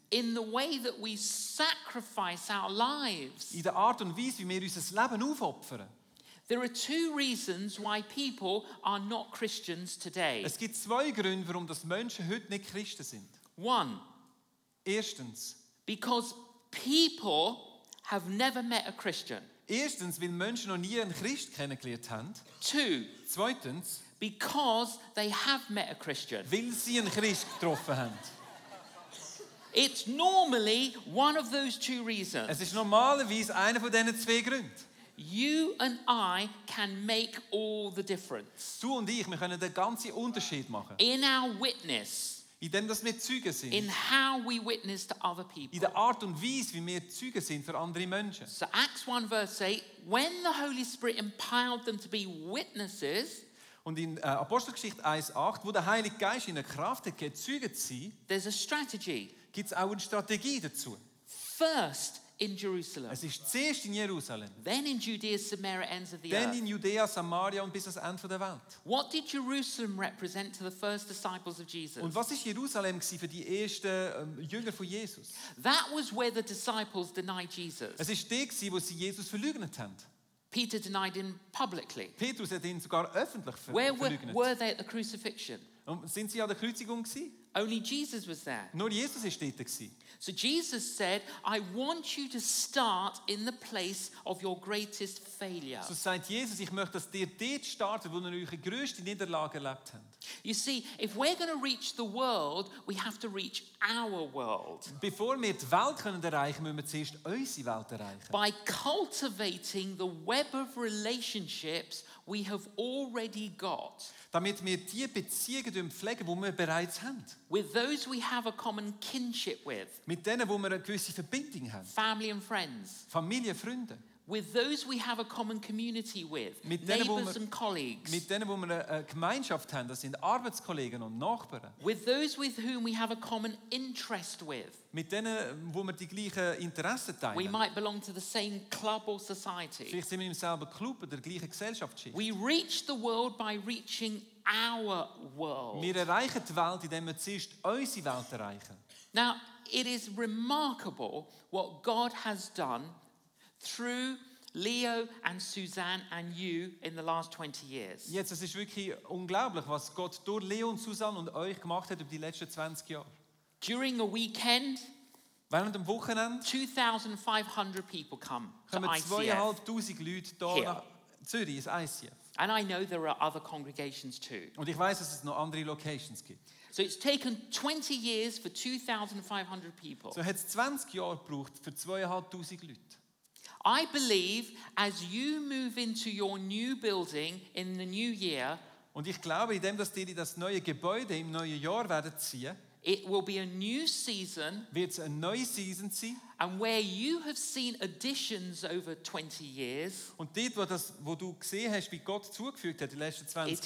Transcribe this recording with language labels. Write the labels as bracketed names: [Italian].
[English] In the way that we sacrifice our lives. [German] In der Art und Weise, wie wir unser Leben aufopfern. [English] There are two reasons why people are not Christians today. [German] Es gibt zwei Gründe, warum das Menschen heute nicht Christen sind. [English] One. [German] Erstens. [English] Because people have never met a Christian. [German] Erstens, weil Menschen noch nie einen Christ kennengelernt haben. [English] Two. [German] Zweitens. [English] Because they have met a Christian. [German] Weil sie einen Christ getroffen haben. [English] It's normally one of those two reasons. [German] Es ist normalerweise einer von diesen zwei Gründen. [English] You and I can make all the difference. [German] Du und ich, wir können den ganzen Unterschied machen. [English] In our witness. [German] In dem, dass wir Zeugen sind. [English] In how we witness to other people. [German] In der Art und Weise, wie wir Zeugen sind für andere Menschen. [English] So Acts 1 verse 8, when the Holy Spirit empowered them to be witnesses. [German] Und in Apostelgeschichte 1:8, wo der Heilige Geist in der Kraft hat, Zeugen zu sein. [English] There's a strategy. [German] Gibt's auch eine Strategie dazu. [English] First in Jerusalem. [German] Es ist zuerst in Jerusalem. [English] Then in Judea, Samaria, ends of the Then earth. Then in [German] Judea, Samaria und bis ans Ende der Welt. [English] What did Jerusalem represent to the first disciples of Jesus? [German] Und was ist Jerusalem gsi für die ersten Jünger von Jesus? [English] That was where the disciples denied Jesus. [German] Es ist die gsi, wo sie Jesus verlügnet haben. [English] Peter denied him publicly. [German] Petrus hat ihn sogar öffentlich verlügnet. [English] Where were they at the crucifixion? [German] Und sind sie an der Kreuzigung gsi? [English] Only Jesus was there. [German] Nur Jesus ist dort gsi. [English] So Jesus said, I want you to start in the place of your greatest failure. [German] So sagt Jesus, ich möchte, dass ihr dort startet, wo ihr eure grösste Niederlage erlebt habt. [English] You see, if we're going to reach the world, we have to reach our world. [German] Bevor wir die Welt können erreichen, müssen wir zuerst unsere Welt erreichen. [English] By cultivating the web of relationships we have already got. [German] Damit wir die Beziehungen pflegen, die wir bereits haben. [English] With those we have a common kinship with. [German] Mit denen, wo wir eine gewisse Verbindung haben. [English] Family and friends. [German] Familie, Freunde. [English] With those we have a common community with. [German] Mit denen, [English] neighbors [German] wo wir, [English] and colleagues. [German] Mit denen, wo wir eine Gemeinschaft haben, das sind Arbeitskollegen und Nachbarn. [English] With those with whom we have a common interest with. [German] Mit denen, wo wir die gleichen Interessen teilen. [English] We might belong to the same club or society. [German] Vielleicht sind wir im selben Club oder der gleichen Gesellschaftsschicht. [English] We reach the world by reaching our world. [German] Wir erreichen die Welt, indem wir zuerst unsere Welt erreichen. [English] Now, it is remarkable what God has done through Leo and Suzanne and you in the last 20 years. [German] Jetzt, es ist wirklich unglaublich, was Gott durch Leo und Suzanne und euch gemacht hat über die letzten 20 Jahre. [English] During a weekend, [German] während dem Wochenende, [English] 2,500 people come to ICF. [German] Kommen 2,500 Leute da nach Zürich, ins ICF. [English] And I know there are other congregations too. [German] Und ich weiß, dass es noch andere Locations gibt. [English] So it's taken 20 years for 2,500 people. [German] So hat es 20 Jahre gebraucht für 2,500 Leute. [English] I believe as you move into your new building in the new year, [German] und ich glaube, indem dass die das neue Gebäude im neuen Jahr werden ziehen, [English] it will be a new season. [German] Wird's eine neue Season sein? [English] And where you have seen additions over 20 years, [German] und dort, wo du gesehen hast, wie Gott zugefügt hat die letzten 20